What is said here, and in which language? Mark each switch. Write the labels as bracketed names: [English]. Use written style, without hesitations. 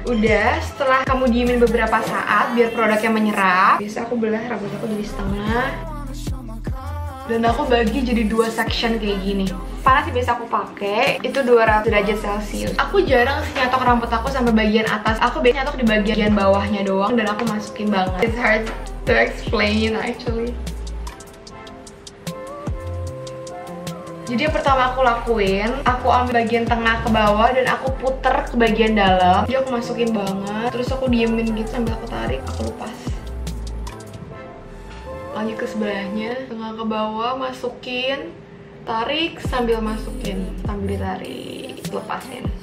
[Indonesian] Udah, setelah kamu diemin beberapa saat biar produknya menyerap, bisa aku belah rambut aku jadi setengah. dan aku bagi jadi dua section kayak gini. Panas yang biasa aku pakai itu 200 derajat celcius. Aku jarang sih nyatok rambut aku sampai bagian atas. Aku biasanya nyatok di bagian bawahnya doang dan aku masukin banget. [English] It's hard to explain actually. [Indonesian] Jadi yang pertama aku lakuin, aku ambil bagian tengah ke bawah dan aku puter ke bagian dalam. Jadi aku masukin banget, terus aku diemin gitu sambil aku tarik, aku lepas. Lanjut ke sebelahnya, tengah ke bawah, masukin, tarik sambil masukin, sambil ditarik, lepasin.